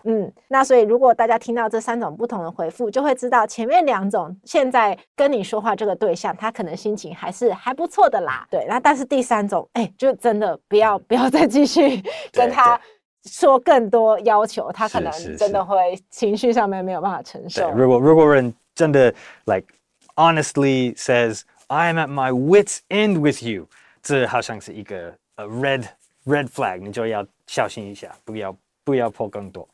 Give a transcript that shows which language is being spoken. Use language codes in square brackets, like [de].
[zh] 嗯，那所以如果大家听到这三种不同的回复，就会知道前面两种现在跟你说话这个对象，他可能心情还不错的啦，对，那但是第三种，就真的不要再继续跟他。说更多要求，他可能真的会情绪上面没有办法承受。是是是，如果人真的 [en] like honestly says I am at my wit's end with you， [zh] 这好像是一个 red flag， 你就要小心一下，不要破更多。